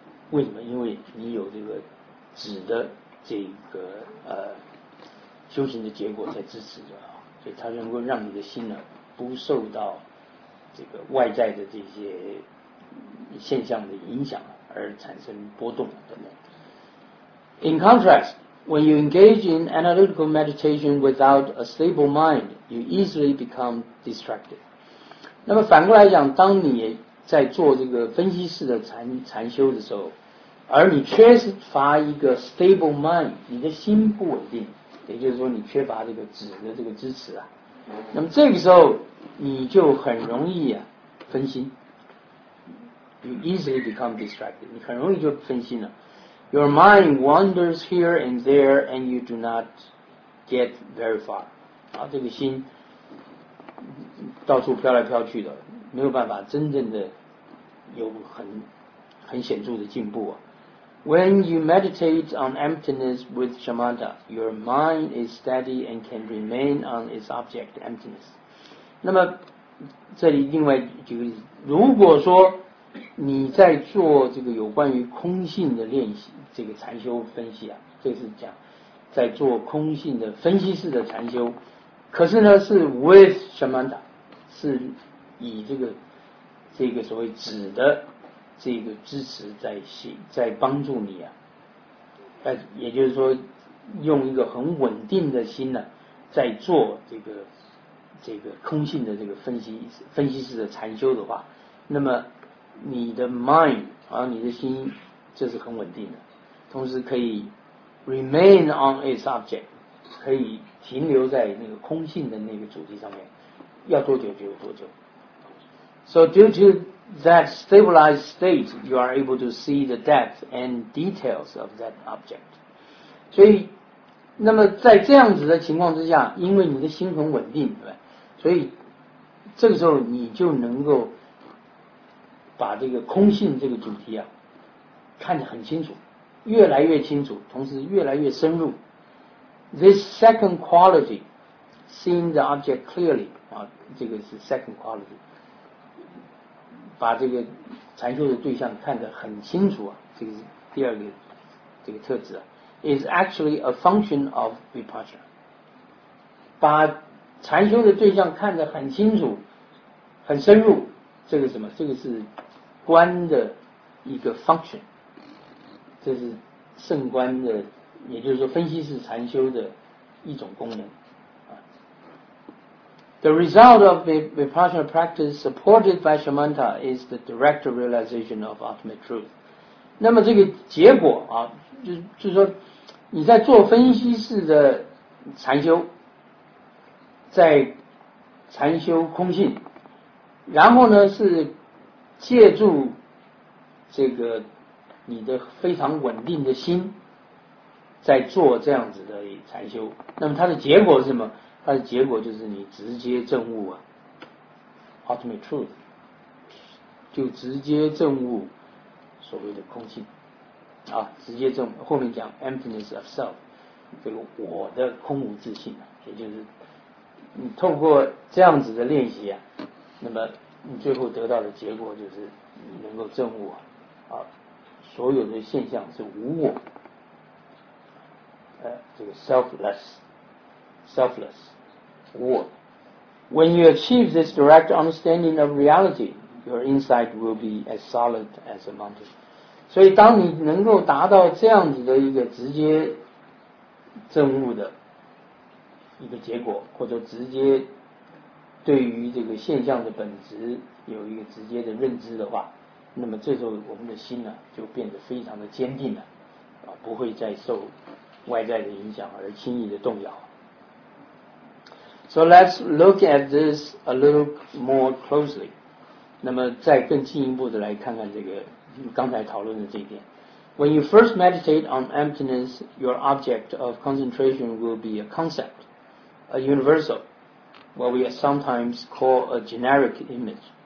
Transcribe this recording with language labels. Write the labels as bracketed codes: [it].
[zh] 为什么？因为你有这个止的这个修行的结果才支持的，所以它能够让你的心呢不受到这个外在的这些现象的影响而产生波动等等。 [en] In contrast, when you engage in analytical meditation without a stable mind, you easily become distracted. [zh] 那么反过来讲，当你在做这个分析式的 禅修的时候，而你缺乏一个 [en] stable mind, [zh] 你的心不稳定，也就是说你缺乏这个止的这个支持啊，那么这个时候你就很容易啊分心。 [en] You easily become distracted. [zh] 你很容易就分心了。 [en] Your mind wanders here and there and you do not get very far. [zh] 啊，这个心到处飘来飘去的，没有办法真正的有很显著的进步啊。 [en] When you meditate on emptiness with shamatha, your mind is steady and can remain on its object, emptiness. [zh] 那么这里另外举个例子，如果说你在做这个有关于空性的练习，这个禅修分析啊，这是讲在做空性的分析式的禅修，可是呢是 [en] with shamatha, [zh] 是以这个所谓止的这个支持在帮助你啊，也就是说用一个很稳定的心呢、啊、在做这个空性的这个分析式的禅修的话，那么你的 mind 啊，你的心就是很稳定的，同时可以 [en] remain on its object, [zh] 可以停留在那个空性的那个主题上面，要多久就有多久。 [en] So due toThat stabilized state, you are able to see the depth and details of that object. [zh] 所以，那么在这样子的情况之下，因为你的心很稳定，对吧？所以这个时候你就能够把这个空性这个主题啊看得很清楚，越来越清楚，同时越来越深入。 [en] This second quality, seeing the object clearly, [zh] 啊，这个是 [en] second quality. [zh] 把这个禅修的对象看得很清楚啊，这个是第二个这个特质啊 ， [en] is actually a function of vipassana。 [zh] 把禅修的对象看得很清楚、很深入，这个什么？这个是观的一个 function， 这是圣观的，也就是说分析式禅修的一种功能。 [en] The result of vipassana practice supported by shamatha is the direct realization of ultimate truth. [zh] 那么这个结果啊，就是说你在做分析式的禅修，在禅修空性，然后呢是借助这个你的非常稳定的心在做这样子的禅修，那么它的结果是什么？它的结果就是你直接证悟啊 ， [en] ultimate truth， [zh] 就直接证悟所谓的空性啊，直接证后面讲 [en] emptiness of self， [zh] 这个我的空无自性啊，也就是你透过这样子的练习啊，那么你最后得到的结果就是你能够证悟 啊，所有的现象是无我，这个 selfless 无我。 [en] When you achieve this direct understanding of reality, your insight will be as solid as a mountain. [zh] 所以当你能够达到这样子的一个直接证悟的一个结果，或者直接对于这个现象的本质有一个直接的认知的话，那么这时候我们的心呢、啊、就变得非常的坚定了、啊、不会再受外在的影响而轻易的动摇。 [en] So let's look at this a little more closely. [zh] 那么再更进一步的来看看这个刚才讨论的这一点。 [en] When you first meditate on emptiness, your object of concentration will be a concept, a universal, what we sometimes call a generic image.